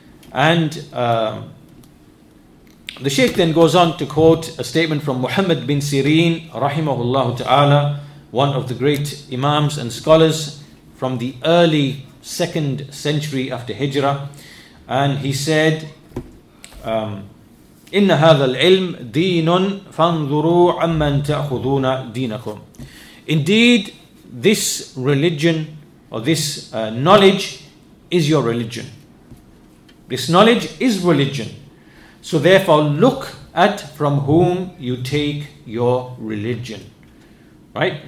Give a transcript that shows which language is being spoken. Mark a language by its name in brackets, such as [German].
[English] And the Shaykh then goes on to quote a statement from Muhammad bin Sirin, rahimahullah ta'ala, one of the great imams and scholars from the early 2nd century after Hijrah. And he said, [Arabic] إن هذا العلم دين فانظروا عمن تأخذون دينكم. [English] Indeed, this religion or this knowledge is your religion. This knowledge is religion. So therefore, look at from whom you take your religion. Right?